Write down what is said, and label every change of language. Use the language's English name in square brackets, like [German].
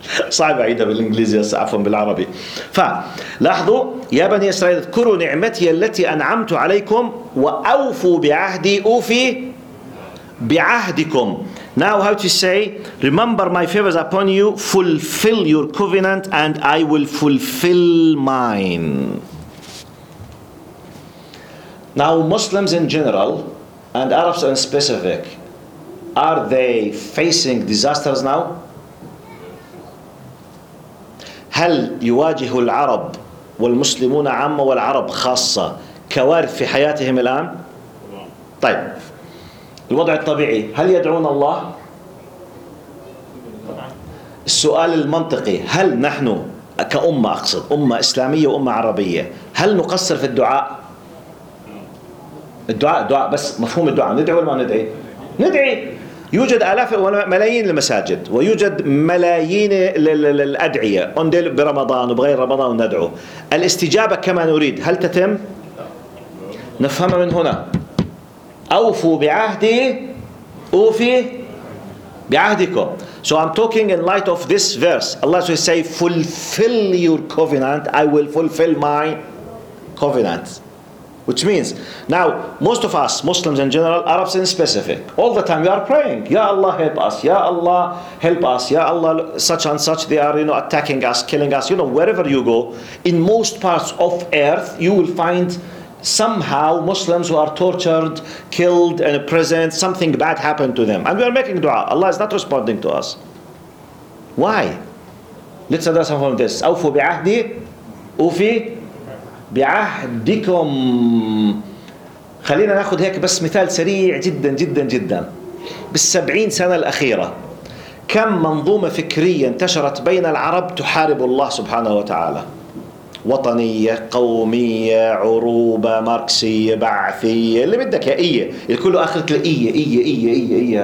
[Arabic] صعب عيدها بالإنجليزية عفوا بالعربي. فلاحظوا يا بني إسرائيل اذكروا نعمتي التي أنعمت عليكم وأوفوا بعهدي أوفي بعهدكم. [English] Now how to say remember my favors upon you, fulfill your covenant and I will fulfill mine. Now Muslims in general and Arabs in specific, are they facing disasters now? [Arabic] هل يواجه العرب والمسلمون عامة والعرب خاصة كوارث في حياتهم الآن؟ طيب الوضع الطبيعي هل يدعون الله؟ السؤال المنطقي هل نحن كأمة أقصد أمة إسلامية وأمة عربية هل نقصر في الدعاء؟ الدعاء دعاء بس مفهوم الدعاء ندعي ولا ما ندعي؟ ندعي يوجد آلاف وملايين المساجد ويوجد ملايين الأدعية برمضان وبغير رمضان وندعو الاستجابة كما نريد هل تتم؟ نفهم من هنا أوفوا بعهدي أوفي بعهدكم. [English] So I'm talking in light of this verse. Allah will say fulfill your covenant, I will fulfill my covenant. Which means, now, most of us, Muslims in general, Arabs in specific, all the time we are praying, Ya Allah help us, Ya Allah help us, Ya Allah such and such, they are, you know, attacking us, killing us. You know, wherever you go, in most parts of earth, you will find somehow Muslims who are tortured, killed, and imprisoned, something bad happened to them. And we are making dua. Allah is not responding to us. Why? Let's understand from this. [Arabic] أوفوا بعهدي, أوفي بعهدكم. خلينا ناخذ هيك بس مثال سريع جدا جدا جدا. بالسبعين سنة الأخيرة كم منظومة فكرية انتشرت بين العرب تحارب الله سبحانه وتعالى؟ وطنية، قومية، عروبة، ماركسية، بعثية، اللي بدك يا إيه، الكل آخرة الإيه إيه إيه إيه إيه.